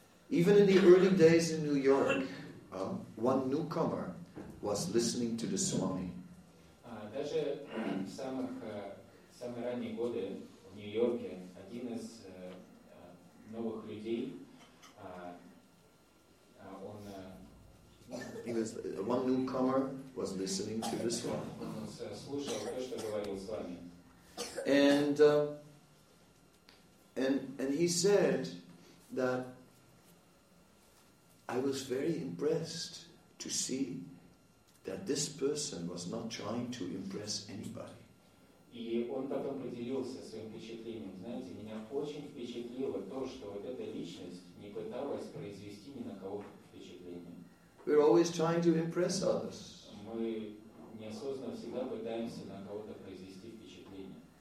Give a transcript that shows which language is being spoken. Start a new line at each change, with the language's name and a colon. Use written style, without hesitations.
English: Even in the early days in New York, one newcomer was listening to the Swami.
Russian: Самые ранние годы в Нью-Йорке один из новых людей, он,
English: he was, one newcomer was listening to this one.
Russian: Он слушал то, что говорил с вами.
English: And he said that I was very impressed to see that this person was not trying to impress anybody.
Russian: И он потом поделился своим впечатлением. Знаете, меня очень впечатлило то, что вот эта личность не пыталась произвести ни на кого впечатление.
English: We're always trying to impress others.
Russian: Мы неосознанно всегда пытаемся на кого-то произвести впечатление.